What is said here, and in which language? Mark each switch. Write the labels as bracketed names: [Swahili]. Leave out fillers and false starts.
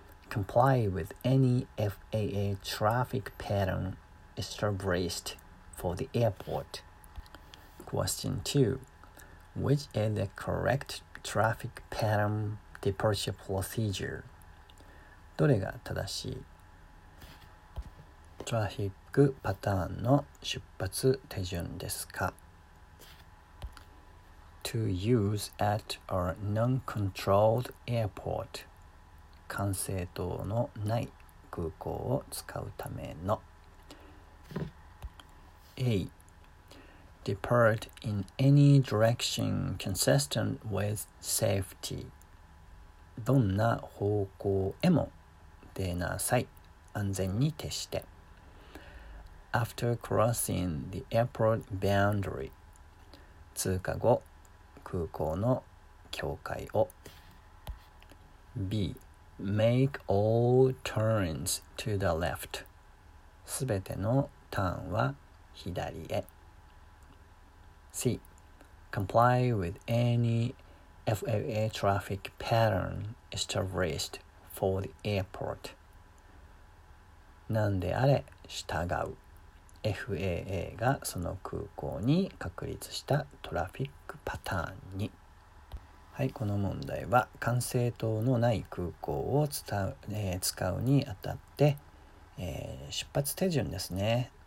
[English] Comply with any FAA traffic pattern established for the airport. Question 2. Which is the correct traffic pattern departure procedure? [Japanese] どれが正しい？トラフィックパターンの出発手順ですか？ [English] To use at a non-controlled airport. [Japanese] 管制塔のない空港を使うための。 [English] A. Depart in any direction consistent with safety. [Japanese] どんな方向へも出なさい。安全に徹して。 [English] After crossing the airport boundary. [Japanese] 通過後空港の境界を。B. [English] Make all turns to the left. [Japanese] すべてのターンは左へ。 [English] C. Comply with any FAA traffic pattern established for the airport. [Japanese] なんであれ従う。 FAA がその空港に確立したトラフィックパターンに。はい、この問題は管制塔のない空港を使うにあたって、出発手順ですね。